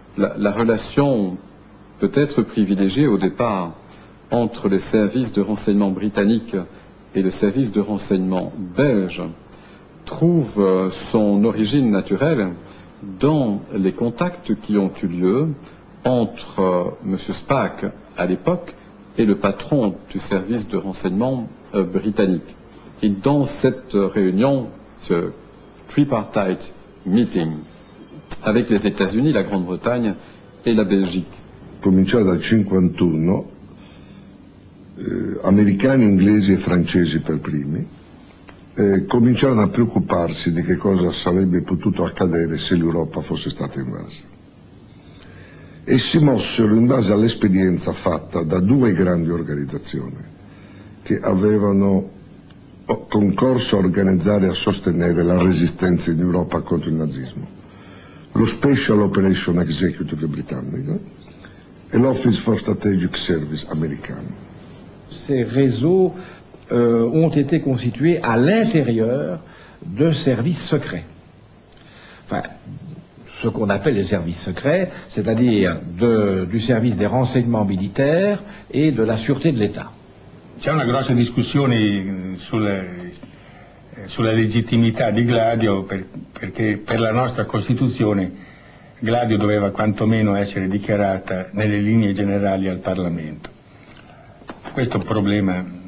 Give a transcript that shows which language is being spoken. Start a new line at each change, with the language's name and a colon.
French: La relation peut être privilégiée au départ entre les services de renseignement britanniques et les services de renseignement belges trouve son origine naturelle dans les contacts qui ont eu lieu entre M. Spaak à l'époque et le patron du service de renseignement britannique. Et dans cette réunion, ce
English: tripartite meeting,
French: avec les États-Unis, la Grande-Bretagne et la Belgique.
Italian: Cominciò dal 51, americani, inglesi e francesi per primi, cominciarono a preoccuparsi di che cosa sarebbe potuto accadere se l'Europa fosse stata invasa. E si mossero in base all'esperienza fatta da due grandi organizzazioni che avevano concorso a organizzare e a sostenere la resistenza in Europa contro il nazismo: lo Special Operation Executive britannico e l'Office for Strategic Service americano.
French: Ces réseaux ont été constitués à l'intérieur de services secrets. Enfin, ce qu'on appelle les services secrets, c'est-à-dire du service des renseignements militaires et de la sûreté de l'État.
Italian: C'è una grossa discussione sulla legittimità di Gladio, perché per la nostra Costituzione Gladio doveva quantomeno essere dichiarata nelle linee generali al Parlamento. Questo è un problema.